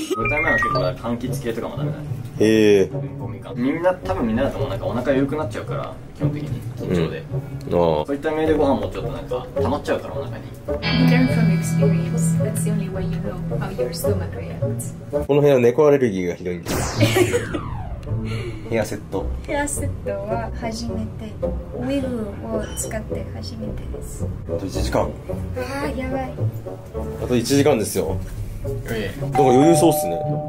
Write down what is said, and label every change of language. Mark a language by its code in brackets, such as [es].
[ja] 舞台前は結構柑橘系とかもダメだね。へぇ、みんな、多分みんなだと思う、なんかお腹緩くなっちゃうから、基本的に、緊張で、うん、あ、そういった意味でご飯もちょっとなんか、溜まっちゃうから、お腹に。 [en] Learn from experience. That's the only way you know how your stomach reacts. [ja] この部屋は猫アレルギーがひどいんです。ヘアセット、ヘアセットは初めて、ウィグを使って初めてです。あと1時間。あー、やばい、あと1時間ですよ。いやいや、余裕そうっすね。